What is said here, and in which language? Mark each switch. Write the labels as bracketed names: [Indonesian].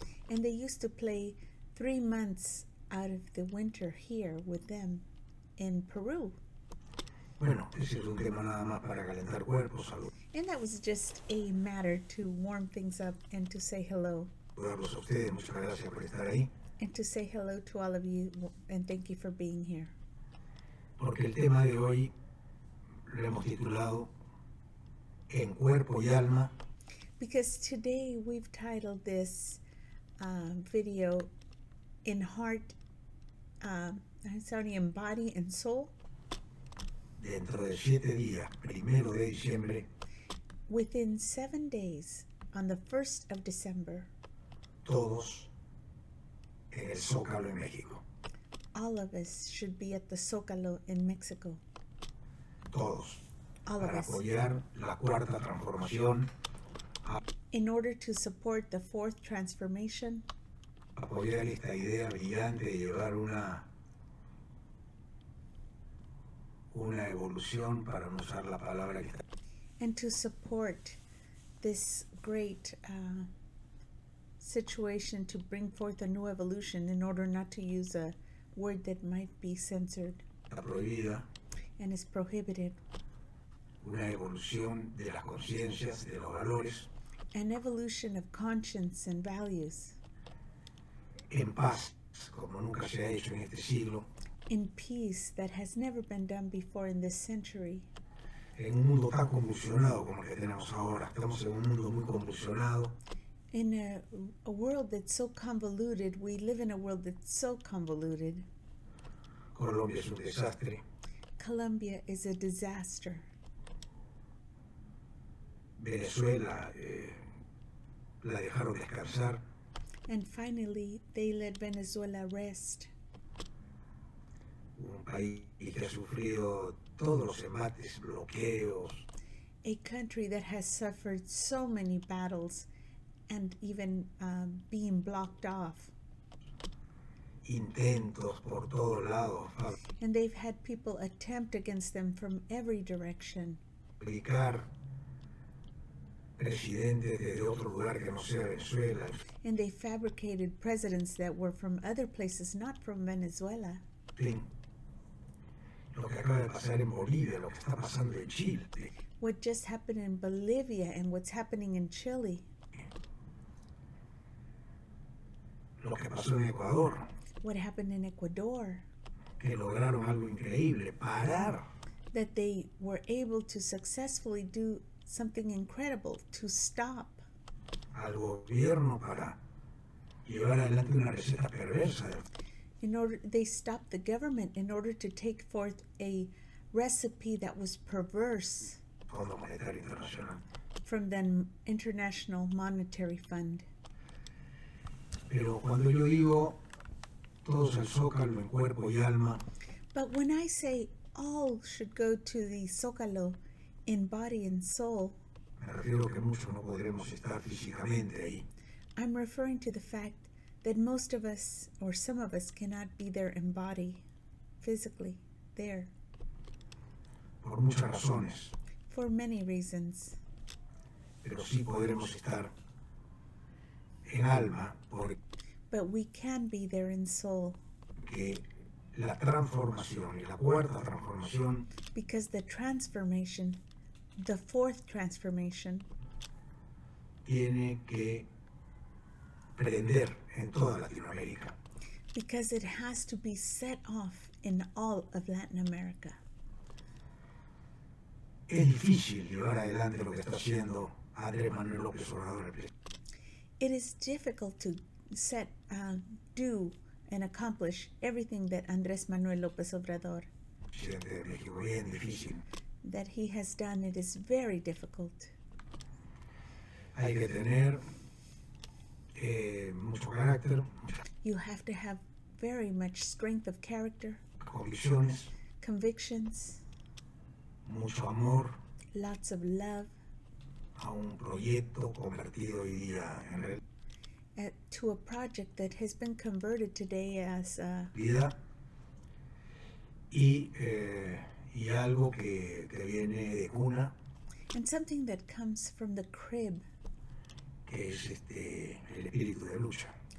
[English] And they used to play 3 months out of the winter here with them in Peru. [Spanish] Bueno, ese es un tema nada más para calentar cuerpos, salud. [English] And that was just a matter to warm things up and to say hello. [Spanish] Saludarlos a ustedes, muchas gracias por estar ahí. [English] And to say hello to all of you and thank you for being here. [Spanish] Porque el tema de hoy lo hemos titulado En cuerpo y alma. [English] Because today we've titled this video in heart, in body and soul. [Spanish] Dentro de 7 días, primero de diciembre. [English] Within 7 days, on the 1st of December. [Spanish] Todos en el Zócalo en México. [English] All of us should be at the Zócalo in Mexico. [Spanish] Todos. [English] All [Spanish] para [English] of [Spanish] apoyar [English] us. [Spanish] La cuarta transformación. [English] In order to support the fourth transformation. [Spanish] Apoyar esta idea brillante de llevar una evolución, para no usar la palabra que está. [English] And to support this great situation to bring forth a new evolution in order not to use a word that might be censored. [Spanish] La prohibida. [English] And is prohibited. [Spanish] Una evolución de las conciencias, de los valores. [English] An evolution of conscience and values. [Spanish] En paz, como nunca se ha hecho en este siglo. In peace that has never been done before in this century. En un mundo tan convulsionado como el que tenemos ahora. Estamos en un mundo muy convulsionado. [English] In a world that's so convoluted, we live in a world that's so convoluted. [Spanish] Colombia es un desastre. [English] Colombia is a disaster. [Spanish] Venezuela la dejaron descansar. [English] And finally, they let Venezuela rest. [Spanish] Un país que ha sufrido todos los embates, bloqueos. [English] A country that has suffered so many battles and even being blocked off. [Spanish] Intentos por todos lados. [English] And they've had people attempt against them from every direction. [Spanish] Aplicar presidentes de otro lugar que no sea Venezuela. [English] And they fabricated presidents that were from other places, not from Venezuela. [Spanish] Bien. Lo que acaba de pasar en Bolivia, lo que está pasando en Chile. [English] What just happened in Bolivia and what's happening in Chile. [Spanish] Lo que pasó en Ecuador. [English] What happened in Ecuador. [Spanish] Que lograron algo increíble, parar. [English] That they were able to successfully do something incredible, to stop. [Spanish] Al gobierno para llevar adelante una receta perversa. [English] In order, they stopped the government in order to take forth a recipe that was perverse. [Spanish] Fondo Monetario Internacional. [English] From the International Monetary Fund. [Spanish] Pero cuando yo digo todos al Zócalo en cuerpo y alma. [English] But when I say all should go to the Zócalo in body and soul. [Spanish] Me refiero que muchos no podremos estar físicamente ahí. [English] I'm referring to the fact that most of us or some of us cannot be there in body, physically, there. [Spanish] Por muchas razones. [English] For many reasons. [Spanish] Pero sí podremos estar en alma, porque. [English] But we can be there in soul. [Spanish] Que la transformación y la cuarta transformación. [English] Because the transformation, the fourth transformation. [Spanish] Tiene que prender en toda Latinoamérica. [English] Because it has to be set off in all of Latin America. [Spanish] Es difícil llevar adelante lo que está haciendo Andrés Manuel López Obrador. [English] It is difficult to set, do and accomplish everything that Andrés Manuel López Obrador, [Spanish] presidente de México, bien difícil. [English] That he has done, it is very difficult. [Spanish] Hay que tener mucho carácter. [English] You have to have very much strength of character. [Spanish] Convicciones. [English] Convictions. [Spanish] Mucho amor. [English] Lots of love. [Spanish] a un proyecto convertido hoy día en realidad. [English] To a project that has been converted today as a [Spanish] Vida y algo que viene de cuna, [English] and something that comes from the crib, [Spanish] que es el espíritu de lucha,